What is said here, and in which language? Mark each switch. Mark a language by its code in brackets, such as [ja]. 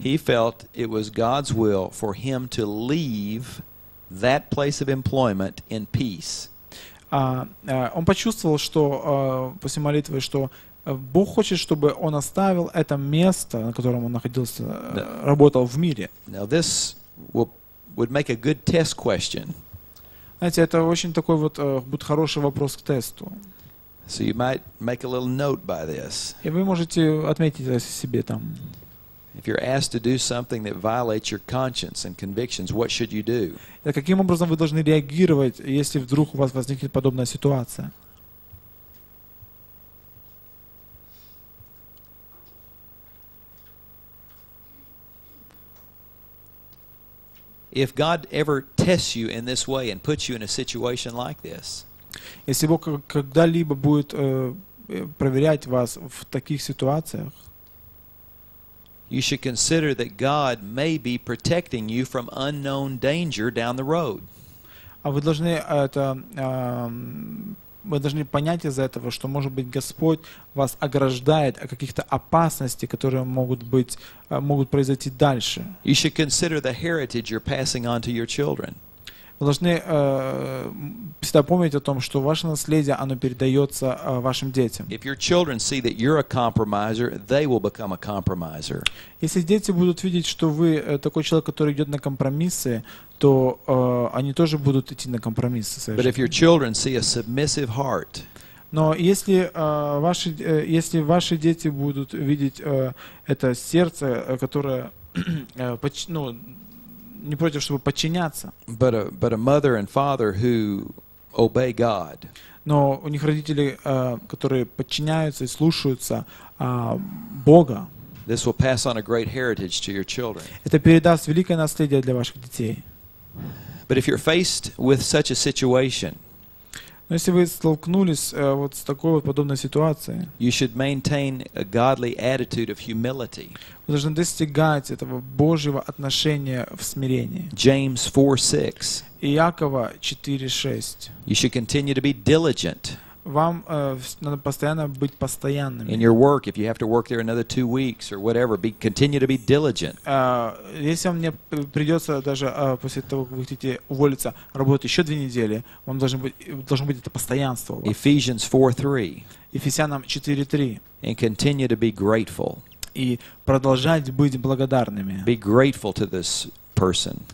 [en] he felt it was God's will for him to leave that place of employment in peace. [ru] Он почувствовал, что после молитвы, что Бог хочет, чтобы он оставил это место, на котором он находился, работал в мире. [en] Now this would make a good test question. [ru] Знаете, это очень такой вот будет хороший вопрос к тесту. [en] So you might make a little note by this. [ru] И вы можете отметить это себе там. [en] If you're asked to do something that violates your conscience and convictions, what should you do? [ru] Каким образом вы должны реагировать, если вдруг у вас возникнет подобная ситуация? [en] If God ever tests you in this way and puts you in a situation like this, [ru] если Бог когда-либо будет проверять вас в таких ситуациях, [en] you should consider that God may be protecting you from unknown danger down the road. [ru] А вы должны это, вы должны понять из этого, что, может быть, Господь вас ограждает от каких-то опасностей, которые могут быть, могут произойти дальше. [en] You should consider the heritage you're passing on to your children. [ru] Вы должны всегда помнить о том, что ваше наследие, оно передается вашим детям. [en] If your children see that you're a compromiser, they will become a compromiser. [ru] Если дети будут видеть, что вы такой человек, который идет на компромиссы, то они тоже будут идти на компромиссы. Совершенно. [en] But if your children see a submissive heart, [ru] но если ваши если ваши дети будут видеть это сердце, которое ну не против, чтобы подчиняться. [en] But a mother and father who obey God. [ru] Но у них родители, которые подчиняются и слушаются Бога. [en] This will pass on a great heritage to your children. [ru] Это передаст великое наследие для ваших детей. [en] But if you're faced with such a situation, [ru] но если вы столкнулись вот с такой вот подобной ситуацией, [en] you should maintain a godly attitude of humility. [ru] Вы должны достигать этого Божьего отношения в смирении. [en] James 4:6. [ru] Иакова 4:6. [en] You should continue to be diligent. [ru] Вам надо постоянно быть постоянными. [en] In your work, if you have to work there another 2 weeks or whatever, be continue to be diligent. [ru] Если вам не придется даже после того, как вы хотите уволиться, работать еще 2 недели, вам должно быть это постоянство. [en] Ephesians 4:3. [ru] Ефесянам 4:3. [en] And continue to be grateful. [ru] И продолжать быть благодарными. [en] Be grateful to this person.